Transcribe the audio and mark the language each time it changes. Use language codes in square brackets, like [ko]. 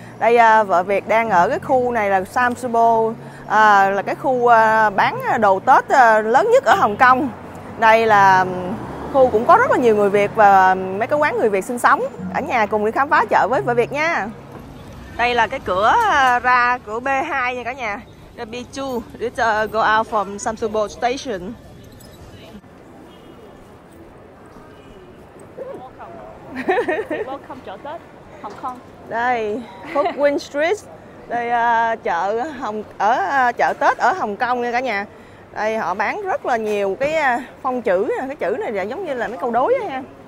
[vi] Đây, Vợ Việt đang ở cái khu này là Samsubo, là cái khu bán đồ Tết lớn nhất ở Hồng Kông. Đây là khu cũng có rất là nhiều người Việt và mấy cái quán người Việt sinh sống. Ở nhà cùng đi khám phá chợ với Vợ Việt nha. Đây là cái cửa ra cửa B2 nha cả nhà. [en] The B2, let's go out from Samsubo station. [vi] Welcome chợ Tết Hồng Kông. Đây, Phúc Win Street. Đây chợ Hồng ở chợ Tết ở Hồng Kông nha cả nhà. Đây họ bán rất là nhiều cái phong chữ, cái chữ này giống như là mấy câu đối á ha.